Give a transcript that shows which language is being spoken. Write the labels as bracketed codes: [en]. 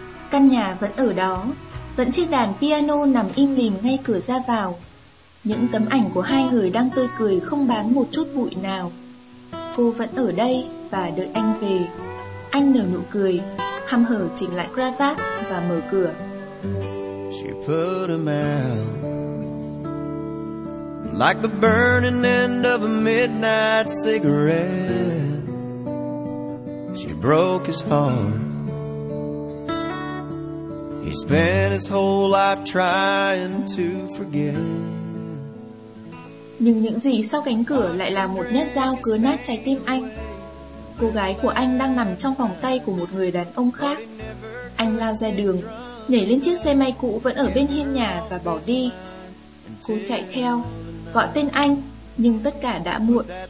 [vi] Căn nhà vẫn ở đó, vẫn chiếc đàn piano nằm im lìm ngay cửa ra vào. Những tấm ảnh của hai người đang tươi cười không bám một chút bụi nào. Cô vẫn ở đây và đợi anh về. Anh nở nụ cười, hăm hở chỉnh lại cravat và mở cửa. [en] She put him out like the burning end of a midnight cigarette. She broke his heart. He spent his whole life trying to forget. [vi] Nhưng những gì sau cánh cửa lại là một nhát dao cứa nát trái tim anh. Cô gái của anh đang nằm trong vòng tay của một người đàn ông khác. Anh lao ra đường, nhảy lên chiếc xe máy cũ vẫn ở bên hiên nhà và bỏ đi. Cô chạy theo, gọi tên anh, nhưng tất cả đã muộn.